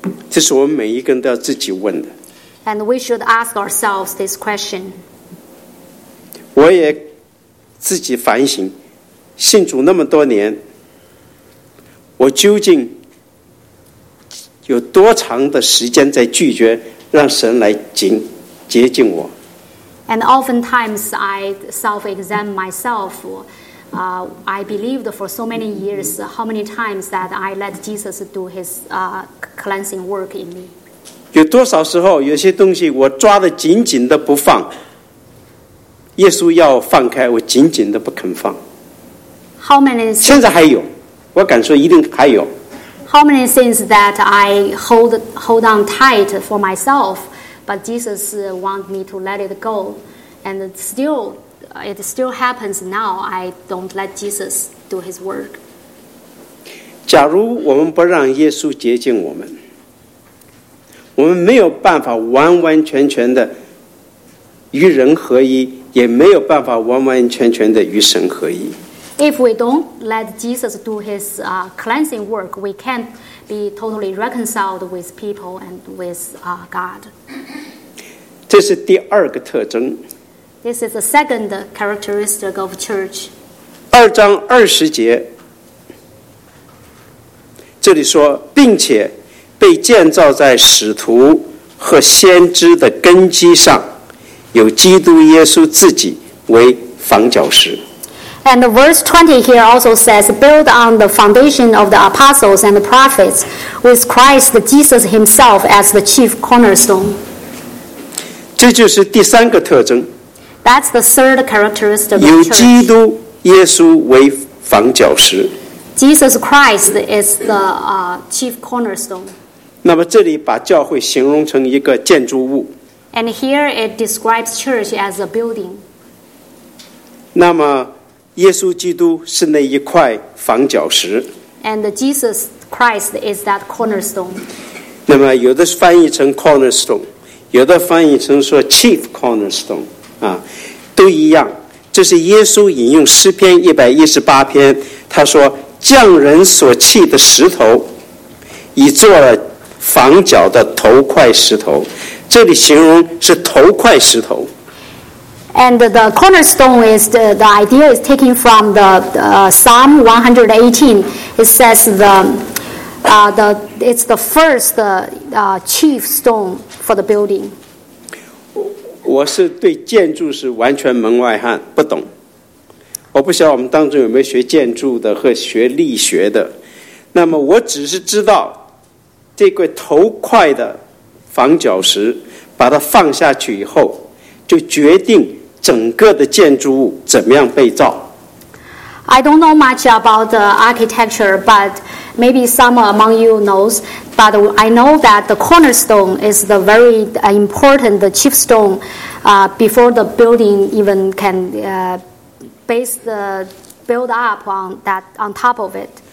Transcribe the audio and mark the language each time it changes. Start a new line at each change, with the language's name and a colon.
Chinese: 这是我们每一个人都要自己问的。
English: And we should ask ourselves this question.
Chinese: 我也自己反省，信主那么多年，我究竟有多长的时间在拒绝让神来洁净我？
English: And oftentimes I self-examine myself. I believed for so many years how many times that I let Jesus do his cleansing work in me.
Chinese: 有多少时候有些东西我抓得紧紧的不放，耶稣要放开我紧紧的不肯放。
English: How many?
Chinese: 现在还有，我敢说一定还有。
English: How many things that I hold on tight for myself, but Jesus want me to let it go, and it still happens now. I don't let Jesus do His work.
Chinese: 假如我们不让耶稣洁净我们。我们没有办法完完全全的与人合一，也没有办法完完全全的与神合一。
English: If we don't let Jesus do his cleansing work, we can't be totally reconciled with people and with God.
Chinese: 这是第二个特征。
English: This is the second characteristic of church.
Chinese: 二章二十节，这里说，并且被建造在使徒和先知的根基上，有基督耶稣自己为房角石。
English: And verse 20 here also says, "Built on the foundation of the apostles and the prophets, with Christ Jesus Himself as the chief cornerstone."
Chinese: 这就是第三个特征。
English: That's the third characteristic of the church.
Chinese: 有基督耶稣为房角石。
English: Jesus Christ is the chief cornerstone.
Chinese: 那么这里把教会形容成一个建筑物。
English: And here it describes church as a building.
Chinese: 那么耶稣基督是那一块房角石。
English: And Jesus Christ is that cornerstone.
Chinese: 那么有的翻译成 cornerstone, 有的翻译成说 chief cornerstone, 啊，都一样。这是耶稣引用诗篇118篇，他说匠人所砌的石头已做了房角的头块石头，这里形容是头块石头。
English: And the cornerstone is the idea is taken from the Psalm 118. It says it's the first chief stone for the building.
Chinese: 我是对建筑是完全门外汉，不懂。我不晓得我们当中有没有学建筑的和学力学的，那么我只是知道这块头块的防脚石把它放下去以后，就决定整个的建筑物怎么样被造。
English: I don't know much about the architecture, but maybe some among you knows, but I know that the cornerstone is the very important, the chief stone before the building even can base the build up on that on top of it.